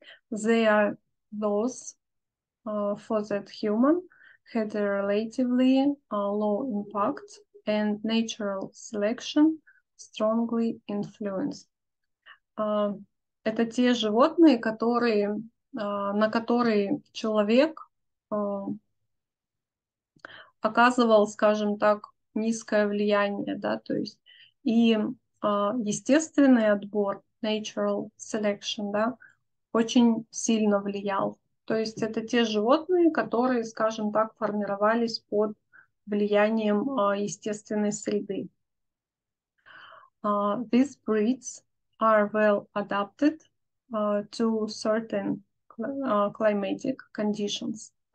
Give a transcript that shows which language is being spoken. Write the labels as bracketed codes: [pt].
[en] They are those for that human had a relatively low impact and natural selection strongly influenced. [ru] Это те животные, которые, на которые человек оказывал, скажем так, низкое влияние, да, то есть и естественный отбор, [en] natural selection, [ru] да, очень сильно влиял. То есть это те животные, которые, скажем так, формировались под влиянием естественной среды. [en] These breeds are well adapted to certain climatic conditions.